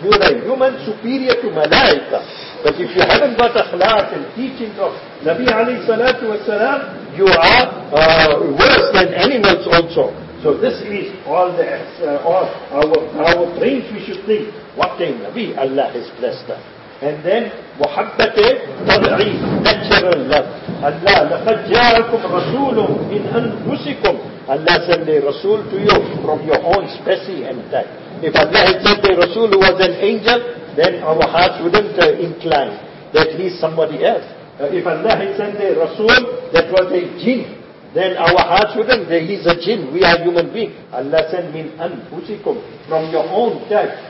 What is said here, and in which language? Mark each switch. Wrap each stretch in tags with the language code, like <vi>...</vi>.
<en>You're a human superior to malaika. But if you haven't got a khilaf and teachings of Nabi alayhi salatu wasalam, you are worse than animals also. So this is all the our brains we should think. What a Nabi Allah has blessed us. And then, muhabbate tabi'i, natural love.</en> <ar>Allah, لَقَدْ جَاءَكُمْ رَسُولٌ مِّنْ أَنْفُسِكُمْ.</ar> <en>Allah sent a Rasul to you from your own specie and type. If Allah had sent a Rasul who was an angel, then our hearts wouldn't incline that he's somebody else. If Allah had sent a Rasul that was a jinn, Then our hearts within, there is a jinn, we are human beings. Allah said, min anfusikum, from your own touch.</en>